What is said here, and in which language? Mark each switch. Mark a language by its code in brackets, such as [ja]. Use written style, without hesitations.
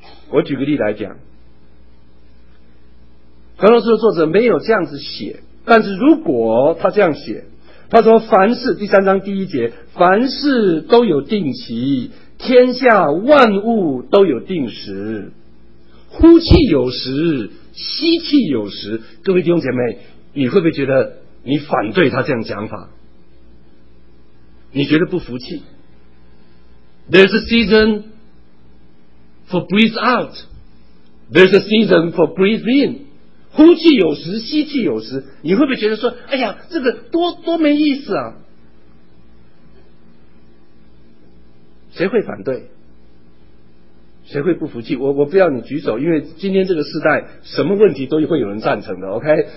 [zh] 我举个例来讲，传道书的作者没有这样子写，但是如果他这样写，他说凡事第三章第一节，凡事都有定期，天下万物都有定时，呼气有时，吸气有时。各位弟兄姐妹，你会不会觉得你反对他这样讲法？你觉得不服气？ [en] There's a season for breathe out, there's a season for breathe in. [zh] 呼气有时，吸气有时，你会不会觉得说，哎呀，这个多没意思啊？谁会反对？谁会不服气？我不要你举手，因为今天这个时代，什么问题都会有人赞成的 ，OK？